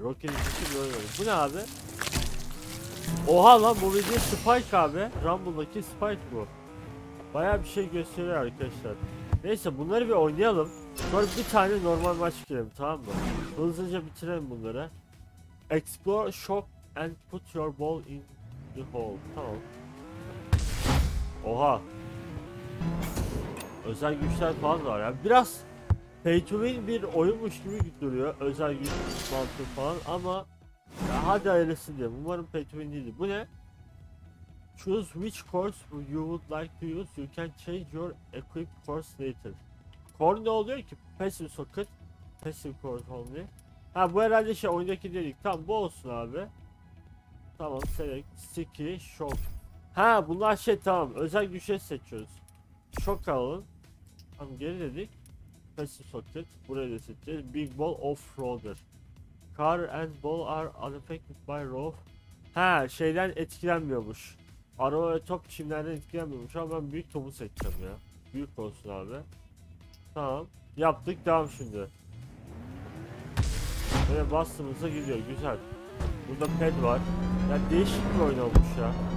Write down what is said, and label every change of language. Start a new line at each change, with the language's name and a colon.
Turkish: Rocket League'si bir oyun oldu. Bu ne abi? Oha lan, bu video Spike abi. Rumble'daki Spike bu. Bayağı bir şey gösteriyor arkadaşlar. Neyse, bunları bir oynayalım. Sonra bir tane normal maç girelim, tamam mı? Hızlıca bitirelim bunları.
English: Explore shop and put your ball in the hole.
Turkish: Tamam. Oha. Özel güçler falan var ya. Yani biraz pay to win bir oyunmuş gibi duruyor. Özel güç mantığı falan ama ya hadi hayırlısı diyeyim. Umarım pay to win değildir. Bu ne?
English: Choose which course you would like to use. You can change your equip course later.
Turkish: Core ne oluyor ki?
English: Passive socket. Passive course only.
Turkish: Ha, bu herhalde şey oyundaki delik. Tamam, bu olsun abi. Tamam, select. Sticky. Shock. Ha, bunlar şey, tamam. Özel güçleri seçiyoruz. Shock alalım. Tamam, geri dedik. Passive socket. Burayı da seçeceğiz.
English: Big ball offroader. Car and ball are unaffected by rough.
Turkish: Ha, şeyden etkilenmiyormuş. Araba ve top çimlerden etkilenmiyormuş ama ben büyük topu seçeceğim ya. Büyük olsun abi. Tamam. Yaptık. Devam şimdi. Böyle bastığımızda gidiyor. Güzel. Burada pad var. Ya değişik bir oyun olmuş ya.